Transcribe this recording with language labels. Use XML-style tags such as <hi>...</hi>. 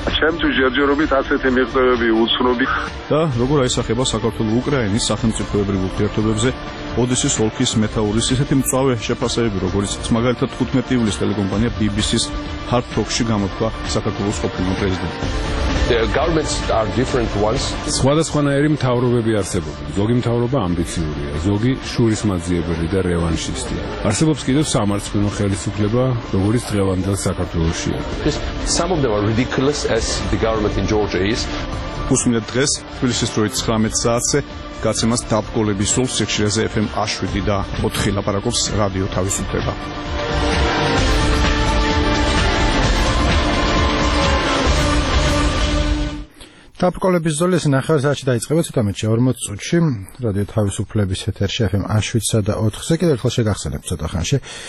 <ka>ჩემთვის ჯერჯერობით ასეთი მიღწევები უცნობი და როგორ აისახება საქართველო-უკრაინის სახელმწიფოებრივ ურთიერთობებზე ოდესის ოლქის მეთაურის ისეთი მწვავე შეფასებები, როგორიც მაგალითად 15 ივლისს ტელეკომპანია BBC-ის Hard Talk-ში გამოთქვა საქართველოს ყოფილმა პრეზიდენტმა.</ka> <en>The governments are different ones.</en> <ka>სხვადასხვანაირი მთავრობები არსებობენ. ზოგი მთავრობა ამბიციურია, ზოგი შურისმაძიებელი და რევანშისტია. არსებობს კიდევ სამართლიანი ხელისუფლება, როგორიც დღევანდელ საქართველოსში.</ka> <en>Some of them are ridiculous as the government in Georgia is.</en> <ka>უსმინე დღეს თბილისის დროით 19 საათზე გაცემას დაბრკოლების სულს ექსრეზე FM 7 და 4 ლაპარაკობს რადიო თავისუფლება. დაბრკოლების ზოლი ეს ნახევარ საათში დაიწყება ცოტა მეტში 40 წუთში რადიო თავისუფლების ეთერში FM 7-სა და 4-ზე კიდევ ერთხელ შეგახსენებთ ცოტა ხანში.</ka>